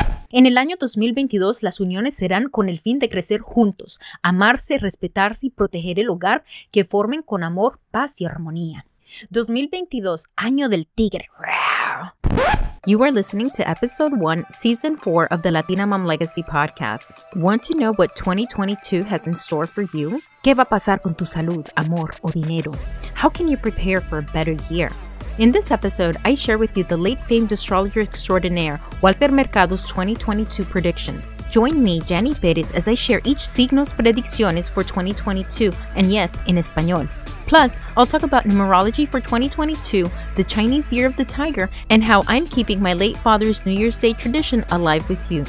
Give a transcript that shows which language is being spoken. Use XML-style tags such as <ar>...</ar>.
<es>En el año 2022, las uniones serán con el fin de crecer juntos, amarse, respetarse y proteger el hogar que formen con amor, paz y armonía. 2022, año del tigre.</es> <en>You are listening to Episode 1, Season 4 of the Latina Mom Legacy Podcast. Want to know what 2022 has in store for you?</en> <es>¿Qué va a pasar con tu salud, amor o dinero?</es> <en>How can you prepare for a better year? In this episode, I share with you the late famed astrologer extraordinaire, Walter Mercado's 2022 predictions. Join me, Jenny Perez, as I share each signo's</en> <es>predicciones</es> <en>for 2022, and yes, in Español. Plus, I'll talk about numerology for 2022, the Chinese Year of the Tiger, and how I'm keeping my late father's New Year's Day tradition alive with you.</en>